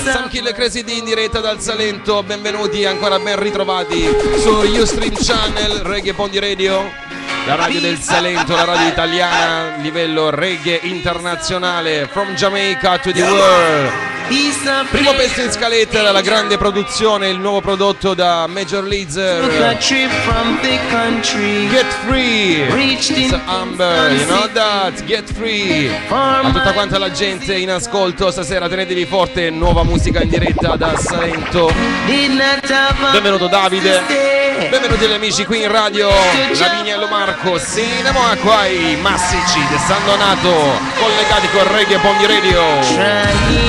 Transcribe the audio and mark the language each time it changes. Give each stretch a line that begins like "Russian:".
Italian: Sam Kill e Crazy D in diretta dal Salento. Benvenuti, ancora ben ritrovati su Ustream Channel, Reggae Pon di Radio, la radio del Salento, la radio italiana livello reggae internazionale.
English: From Jamaica to the world.
Italian: Primo pezzo in scaletta dalla grande produzione, il nuovo prodotto da Major Lazer.
English: Get Free, it's Amber, you know that, Get Free.
Italian: A tutta quanta la gente in ascolto stasera, tenetevi forte, nuova musica in diretta da Salento. Benvenuto Davide, benvenuti gli amici qui in radio, Lavinia e Lo Marco, Sinamo Acquai, Massici, De San Donato, collegati con Reggae Pon di Radio.